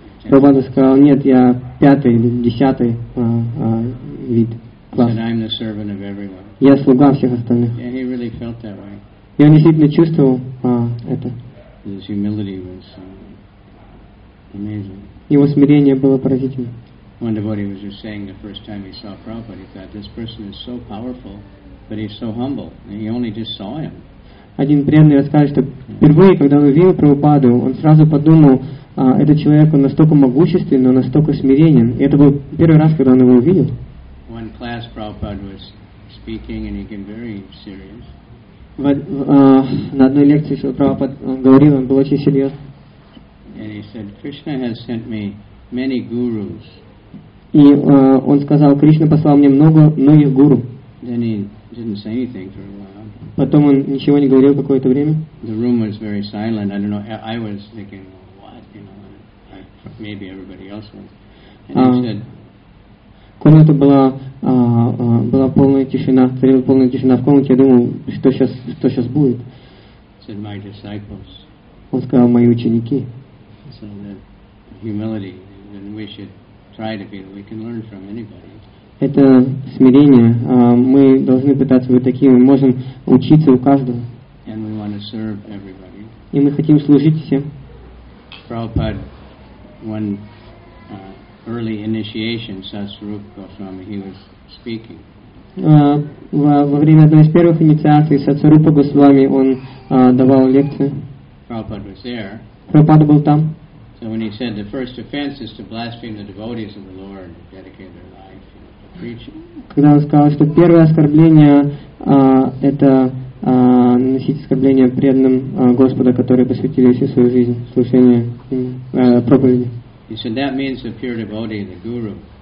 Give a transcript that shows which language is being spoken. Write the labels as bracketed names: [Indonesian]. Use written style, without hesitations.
[Russian] Прабхупада сказал, нет, я пятый, десятый вид класса. [English] And I'm the servant of everyone. [Russian] Я слуга всех остальных. [English] Yeah, he really felt that way. [Russian] И он действительно чувствовал это. [English] His humility was amazing. [Russian] Его смирение было поразительным. [English] One devotee was just saying the first time he saw Prabhupada, he thought, this person is so powerful, but he's so humble. And he only just saw him. [Russian] Один преданный рассказывает, что впервые, когда он увидел Прабхупаду, он сразу подумал, этот человек, он настолько могущественный, но настолько смиренен. И это был первый раз, когда он его увидел. [English] One class Prabhupada was speaking and he became very serious. [Russian] На одной лекции Шрила Прабхупада говорил, он был очень серьезный. [English] And he said, Krishna has sent me many gurus. [Russian] И он сказал, Кришна послал мне много многих гуру. [English] Then he didn't say anything for a while. [Russian] Потом он ничего не говорил какое-то время. [English] The room was very silent. I don't know. I was thinking, well, what? You know, maybe everybody else was. And he said, [Russian] комната была была полная тишина, царила полная тишина в комнате. Я думал, что сейчас будет. [English] Said my disciples. [Russian] Он сказал, мои ученики. [English] So that humility, and we should try to be. We can learn from anybody. [Russian] Это смирение. Мы должны пытаться быть такими. Мы можем учиться у каждого. [English] And we want to serve everybody. [Russian] И мы хотим служить всем. [English] Prabhupada, one early initiation, Sasvarupa Goswami, he was speaking. [Russian] Во время одной из первых инициаций Сасварупа Госвами он давал лекцию. [English] Prabhupada was there. [Russian] Prabhupada был там. [English] So when he said the first offense is to blaspheme the devotees of the Lord and dedicate their life, you know, to preaching. [Russian] Когда он сказал, что первое оскорбление это наносить оскорбление преданным Господа, которые посвятили всю свою жизнь слушанию проповеди. [English] He said that means a pure devotee, the guru.